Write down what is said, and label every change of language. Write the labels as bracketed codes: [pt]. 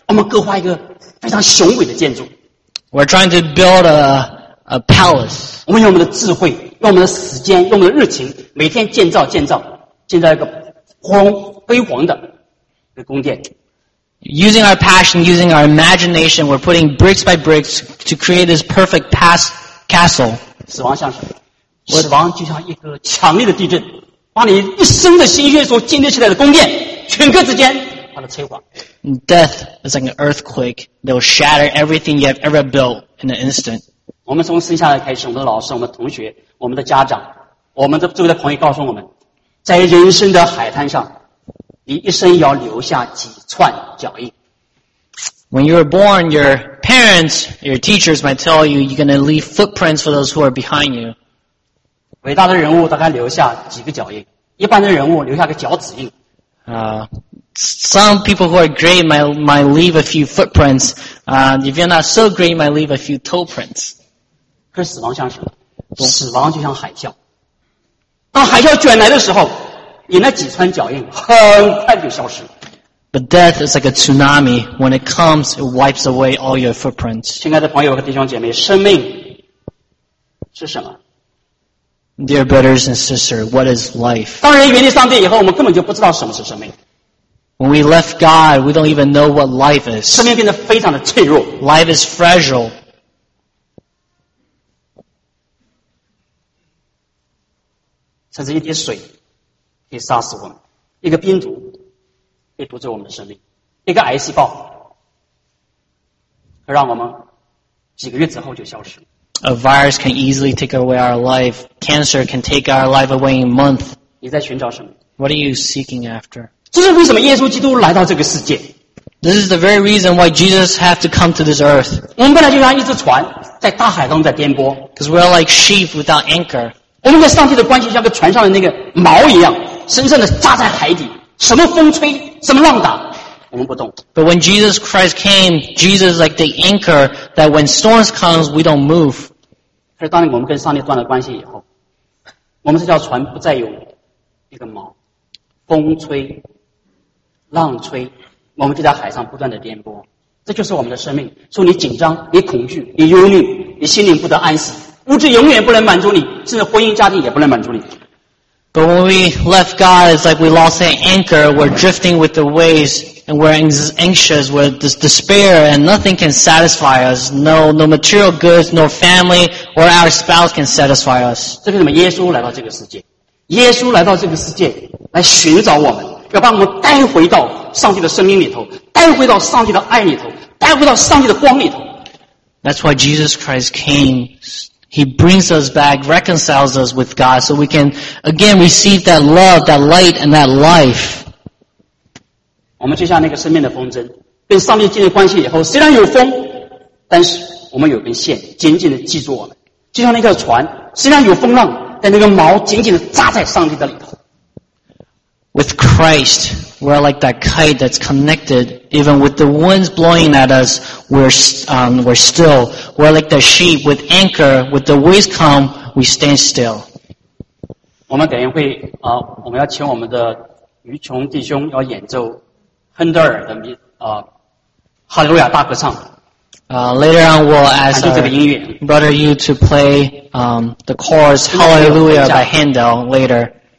[zh] 我们各画一个非常雄伟的建筑。 [en] We're trying to build a palace. [zh] 我们用我们的智慧，用我们的时间，用我们的热情，每天建造一个辉煌的一个宫殿。 [en] Using our passion, using our imagination, we're putting bricks by bricks to create this perfect castle. [zh] 死亡像什么？死亡就像一个强烈的地震，把你一生的心血所建立起来的宫殿，顷刻之间把它摧毁。 [en] Death is like an earthquake that will shatter everything you have ever built in an instant. [zh] 我们从生下来开始，我们的老师、我们的同学、我们的家长、我们的周围的朋友告诉我们，在人生的海滩上。你一生要留下几串脚印。 [en] When you were born, your parents, your teachers might tell you you're going to leave footprints for those who are behind you. [zh] 伟大的人物大概留下几个脚印，一般的人物留下个脚趾印。 [en] Some people who are great might leave a few footprints. If you're not so great, might leave a few toe prints. [zh] 可是死亡像什么？死亡就像海啸。当海啸卷来的时候。你那几串脚印很快就消失。 [en] But death is like a tsunami. When it comes, it wipes away all your footprints. [zh] 亲爱的朋友和弟兄姐妹，生命是什么？ [en] Dear brothers and sisters, what is life? [zh] 当人远离上帝以后，我们根本就不知道什么是生命。 [en] When we left God, we don't even know what life is. [zh] 生命变得非常的脆弱。 [en] Life is fragile. [zh] 甚至一滴水。可以杀死我们，一个病毒可以夺走我们的生命，一个癌细胞可让我们几个月之后就消失。 [en] A virus can easily take away our life. Cancer can take our life away in a month. [zh] 你在寻找什么？ [en] What are you seeking after? [zh] 这是为什么耶稣基督来到这个世界？ [en] This is the very reason why Jesus had to come to this earth. [zh] 我们本来就像一只船在大海中在颠簸。 [en] Because we're like sheep without anchor. [zh] 我们跟上帝的关系像个船上的那个锚一样，深深的扎在海底。什么风吹，什么浪打，我们不动。 [en] But when Jesus Christ came, Jesus is like the anchor that when storms come, we don't move. [zh] 可是当我们跟上帝断了关系以后，我们这条船不再有一个锚，风吹，浪吹，我们就在海上不断的颠簸。这就是我们的生命。所以你紧张，你恐惧，你忧虑，你心灵不得安息。物质永远不能满足你，甚至婚姻家庭也不能满足你。 [en] But when we left God, it's like we lost an anchor. We're drifting with the waves, and we're anxious, we're despair, and nothing can satisfy us. No material goods, no family, or our spouse can satisfy us. [zh] 这是什么？耶稣来到这个世界，耶稣来到这个世界来寻找我们，要把我们带回到上帝的生命里头，带回到上帝的爱里头，带回到上帝的光里头。 [en] That's why Jesus Christ came. He brings us back, reconciles us with God, so we can again receive that love, that light, and that life. [zh] 我们就像那个生命的风筝，被上帝建立关系以后，虽然有风，但是我们有根线紧紧的系住我们；就像那个船，虽然有风浪，但那个锚紧紧的扎在上帝的里头。 [en] With Christ, we're like that kite that's connected, even with the winds blowing at us, we're still. We're like the sheep with anchor, with the waves come, we stand still. [zh] 我们等一会，我们要请我们的余琼弟兄要演奏。亨德尔的哈利路亚大合唱。 [en] Later on, we'll ask our brother Yu to play the chorus Hallelujah by Handel later.